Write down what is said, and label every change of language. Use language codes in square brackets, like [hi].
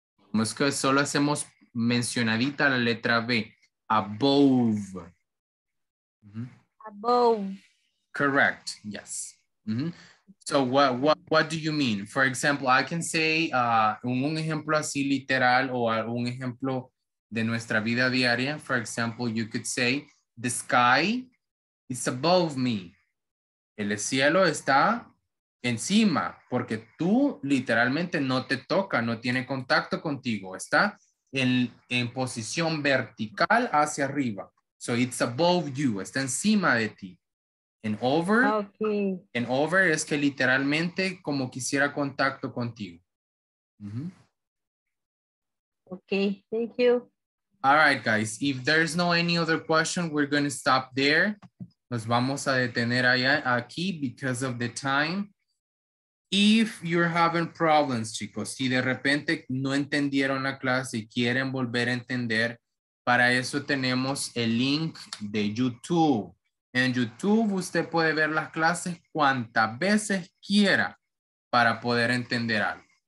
[es] Como es que solo hacemos mencionadita la letra B. [en] Above. Mm-hmm. Above. Correct. Yes. Mm-hmm. So what do you mean? For example, I can say [es] un ejemplo así literal o un ejemplo de nuestra vida diaria. [en] For example, you could say the sky is above me. [es] El cielo está encima porque tú literalmente no te toca, no tiene contacto contigo. Está en posición vertical hacia arriba. [en] So it's above you, [es] está encima de ti. [en] And over, okay. [es] And over es que literalmente como quisiera contacto contigo. Mm-hmm. [en] Okay, thank you. All right, guys. If there's no any other question, we're going to stop there. [es] Nos vamos a detener allá, aquí [en] because of the time. If you're having problems, [es] chicos, si de repente no entendieron la clase y quieren volver a entender, para eso tenemos el link de YouTube. En YouTube usted puede ver las clases cuantas veces quiera para poder entender algo.